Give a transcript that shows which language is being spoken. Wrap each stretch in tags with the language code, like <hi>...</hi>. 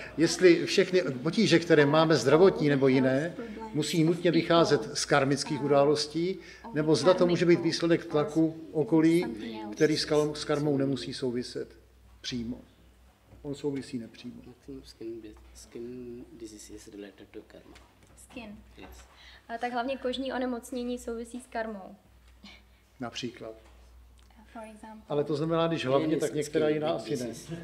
<cs>Jestli všechny potíže, které máme zdravotní nebo jiné, musí nutně vycházet z karmických událostí, nebo zda to může být výsledek tlaku okolí, který s karmou nemusí souviset přímo. On souvisí nepřímo.</cs> <en>Skin disease is related to karma. Skin.</en> <cs>Ale tak hlavně kožní onemocnění souvisí s karmou. Například.</cs> <en>For example,</en> <cs>ale to znamená, když hlavně, tak některá jiná asi ne.</cs>